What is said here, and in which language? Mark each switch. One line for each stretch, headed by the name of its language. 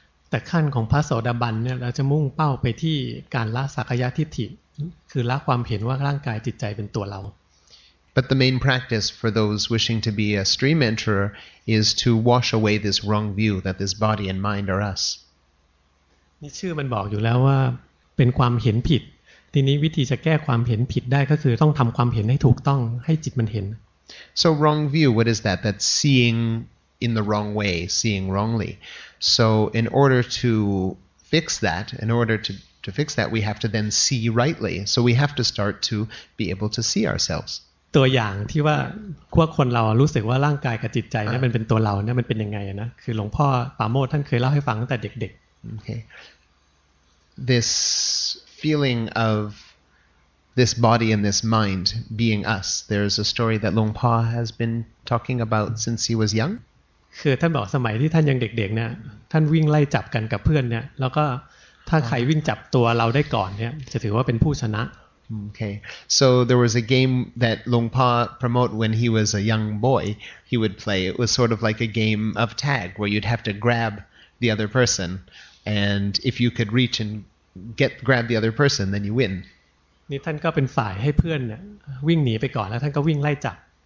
Thai: แต่ขั้นของพระโสดาบันเนี่ยเราจะมุ่งเป้าไปที่การละสักกายทิฏฐิคือละความเห็นว่าร่างกายจิตใจเป็นตัวเรา
English: But the main practice for those wishing to be a stream enterer is to wash away this wrong view that this body and mind are us.
Thai: นี่ชื่อมันบอกอยู่แล้วว่าเป็นความเห็นผิดทีนี้วิธีจะแก้ความเห็นผิดได้ก็คือต้องทำความเห็นให้ถูกต้องให้จิตมันเห็น
English: So wrong view, what is that? That's seeing in the wrong way, seeing wrongly. So in order to fix that, we have to then see rightly. So we have to start to be able to see ourselves.
Thai: ตัวอย่างที่ว่าพวกคนเรารู้สึกว่าร่างกายกับจิตใจนี่มันเป็นตัวเราเนี่ยมันเป็นยังไงนะคือหลวงพ่อปาโมทท่านเคยเล่าให้ฟังตั้งแต่เด็กๆ
English: okay. This feeling of this body and this mind being us there's a story that หลวงพ่อ has been talking about since he was young
Thai: คือท่านบอกสมัยที่ท่านยังเด็กๆเนี่ยท่านวิ่งไล่จับกันกับเพื่อนเนี่ยแล้วก็ถ้าใครวิ่งจับตัวเราได้ก่อนเนี่ยจะถือว่าเป็นผู้ชนะ
English: Okay, so there was a game that Longpa promote when he was a young boy. He would play. It was sort of like a game of tag where you'd have to grab the other person, and if you could reach and grab the other person, then you win.
Thai: นี่ท่านก็เป็นฝ่ายให้เพื่อนวิ่งหนีไปก่อนแล้วท่านก็วิ่งไล่จับ